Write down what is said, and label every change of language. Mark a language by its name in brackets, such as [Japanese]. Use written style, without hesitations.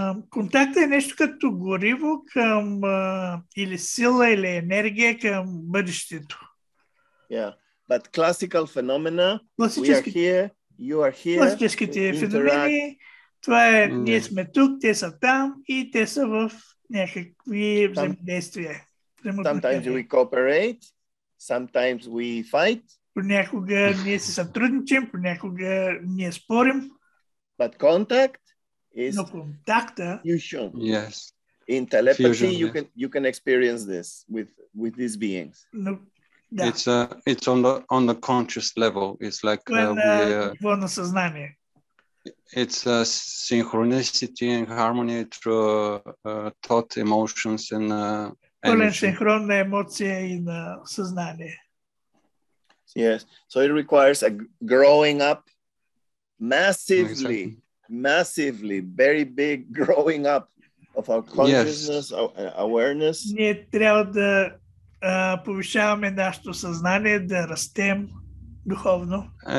[Bulgarian] Контакт е нещо като гориво към или сила или енергия към бъдещето. [English] Yeah, but classical phenomena, we are here, you are here. [Bulgarian] Класическите феномени, това е, ние сме тук, те са там и те са в някакви взаимодействия. [English] Sometimes we cooperate, sometimes we fight. [Bulgarian] Понякога ние се сътрудничим, понякога ние спорим. [English] But contact is fusion. Yes. In telepathy, fusion, you can experience this with these beings. No. Да. It's on the conscious level. It's like [Bulgarian] we на съзнание. [English] It's a synchronicity and harmony through thought, emotions and energy. [Bulgarian] Синхронна емоция и на съзнание. [English] Yes, so it requires a growing up massively, exactly. Massively, very big growing up of our consciousness, yes. Awareness. [Bulgarian] Ние трябва да повишаваме нашето съзнание, да растем духовно.